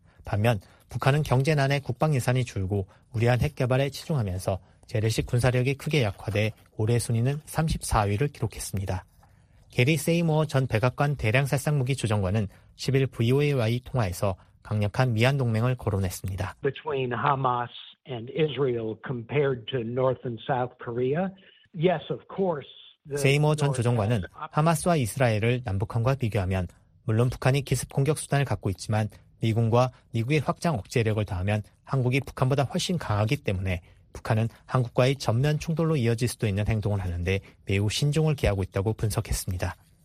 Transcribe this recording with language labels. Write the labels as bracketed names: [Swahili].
[Korean] 반면 북한은 경제난에 국방 예산이 줄고 우리한 핵 개발에 치중하면서 재래식 군사력이 크게 약화돼 올해 순위는 34위를 기록했습니다. 게리 세이모어 전 백악관 대량살상무기 조정관은 11 VOA와의 통화에서 강력한 미한 동맹을 거론했습니다. [English] Between Hamas and Israel compared to North and South Korea, yes, of course. [Korean] 세이머 전 조정관은 하마스와 이스라엘을 남북한과 비교하면 물론 북한이 기습 공격 수단을 갖고 있지만 미군과 미국의 확장 억제력을 더하면 한국이 북한보다 훨씬 강하기 때문에 북한은 한국과의 전면 충돌로 이어질 수도 있는 행동을 하는데 매우 신중을 기하고 있다고 분석했습니다.